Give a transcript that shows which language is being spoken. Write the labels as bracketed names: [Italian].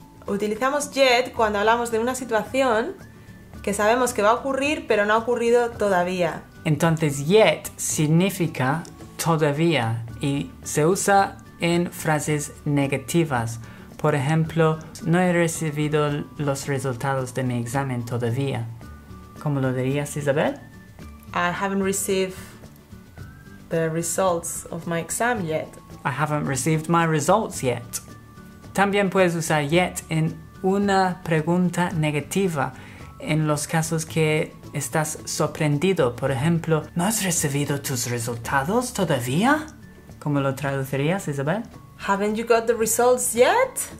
[Spanish] Utilizamos yet cuando hablamos de una situación que sabemos que va a ocurrir, pero no ha ocurrido todavía. Entonces, yet significa todavía y se usa en frases negativas. Por ejemplo, no he recibido los resultados de mi examen todavía. ¿Cómo lo dirías, Isabel? [English] I haven't received the results of my exam yet. I haven't received my results yet. [Spanish] También puedes usar yet en una pregunta negativa, en los casos que estás sorprendido. Por ejemplo, ¿no has recibido tus resultados todavía? ¿Cómo lo traducirías, Isabel? [English] Haven't you got the results yet?